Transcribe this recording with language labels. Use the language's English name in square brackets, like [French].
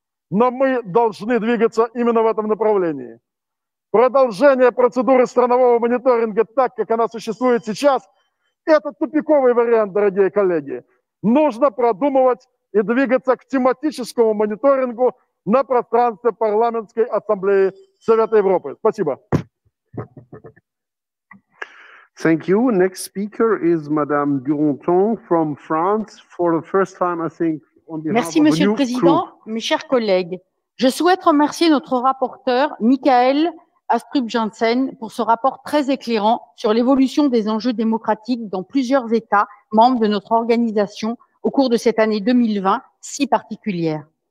[Russian] Но мы должны двигаться именно в этом направлении. Продолжение процедуры странового мониторинга так, как она существует сейчас, это тупиковый вариант, дорогие коллеги. Нужно продумывать и двигаться к тематическому мониторингу на пространстве парламентской ассамблеи Совета Европы. Спасибо. [English] Thank you. Next speaker is Madame Duranton from France for the first time, I think, on behalf of the new [French] Merci, Monsieur le Président, [English] group. [French] Mes chers collègues. Je souhaite remercier notre rapporteur, Michael Astrup-Jensen, pour ce rapport très éclairant sur l'évolution des enjeux démocratiques dans plusieurs États membres de notre organisation au cours de cette année 2020 si particulière.